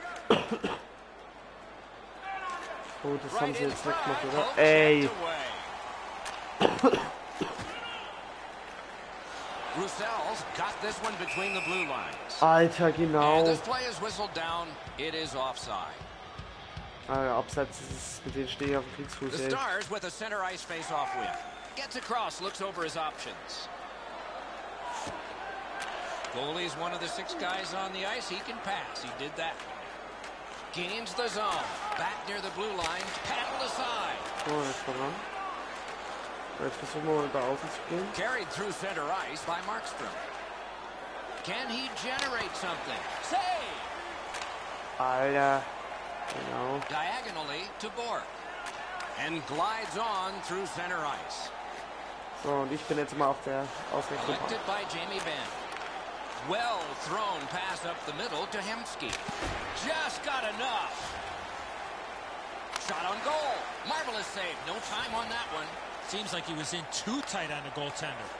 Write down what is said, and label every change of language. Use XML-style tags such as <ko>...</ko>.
<de>Oh, das haben sie jetzt weggemacht, oder? Ey!</de> <en>Roussel's got this one between the blue lines.</en> <de>Alter, genau.</de> <en>And this play is whistled down. It is offside.</en> <de>Alter, abseits ist es mit dem Steh auf dem Kriegsfuß, ey.</de> <en>The Stars with a center ice face-off win. Gets across, looks over his options. Goalie's one of the six guys on the ice. He can pass. He did that. Gains the zone. Back near the blue line. Paddle aside.</en> <de>Oh, jetzt mal ran. Jetzt versuchen wir mal da außen zu gehen.</de> <en>Carried through center ice by Markstrom. Can he generate something? Save!</en> <de>Alter. Genau.</de> <en>Diagonally to Bork. And glides on through center ice.</en> <de>So, und ich bin jetzt mal auf der Ausrichtung.</de> <en>Collected by Jamie Benn. Well thrown pass up the middle to Hemsky. Just got enough. Shot on goal. Marvelous save. No time on that one. Seems like he was in too tight on the goaltender.</en>